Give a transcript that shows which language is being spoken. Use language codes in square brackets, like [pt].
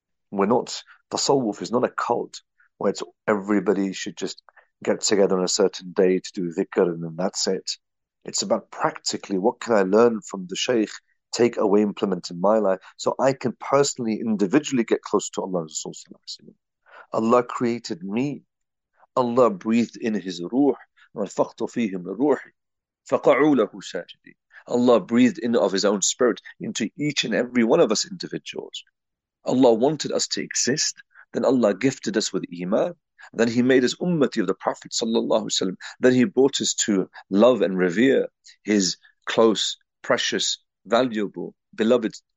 [en] We're not, tasawwuf is not a cult where it's everybody should just get together on a certain day to do dhikr and then that's it. It's about practically what can I learn from the sheikh, take away, implement in my life, so I can personally, individually get close to Allah. Allah created me. Allah breathed in His ruh, [ar] وَنَفَخْتُ فِيهِ مِنْ رُوحِي فَقَعُوا لَهُ سَاجِدِينَ. [en] Allah breathed in of His own spirit into each and every one of us individuals. Allah wanted us to exist. Then Allah gifted us with iman. Then He made us ummati of the Prophet sallallahu alaihi wasallam. Then He brought us to love and revere His close, precious, valuable, beloved